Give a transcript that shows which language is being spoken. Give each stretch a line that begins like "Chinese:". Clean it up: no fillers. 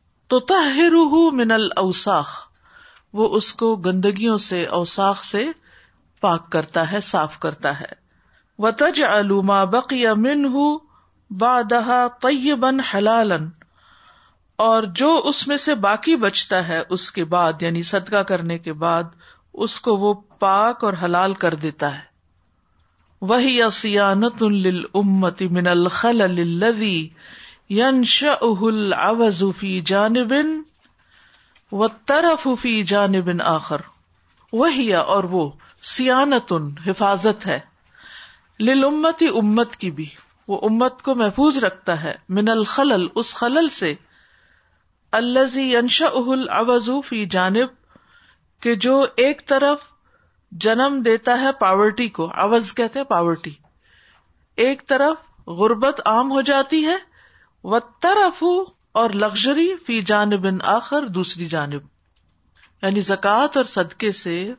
Arabic: تطہرہ من الاوساخ,
Urdu: وہ اس کو گندگیوں سے, اوساخ سے پاک کرتا ہے, صاف کرتا ہے.
Arabic: وتجعل ما بقی منہ بعدها طیبا حلالا,
Urdu: اور جو اس میں سے باقی بچتا ہے اس کے بعد, یعنی صدقہ کرنے کے بعد, اس کو وہ پاک اور حلال کر دیتا ہے.
Arabic: وہی صیانۃ للامۃ من الخلل الذی ينشأه العوز في جانب والترف في جانب آخر.
Urdu: وہی, اور وہ, سیانتن, حفاظت ہے, للامت, امت کی بھی, وہ امت کو محفوظ رکھتا ہے,
Arabic: من الخلل,
Urdu: اس خلل سے,
Arabic: الذي ينشأه العوز في جانب,
Urdu: کہ جو ایک طرف جنم دیتا ہے پاورٹی کو, عوز کہتے ہیں پاورٹی, ایک طرف غربت عام ہو جاتی ہے, وَالتَّرَفُ, اور لَغْجَرِ فِي جَانِبٍ آخر, دوسری جانب. یعنی زکاة اور صدقے سے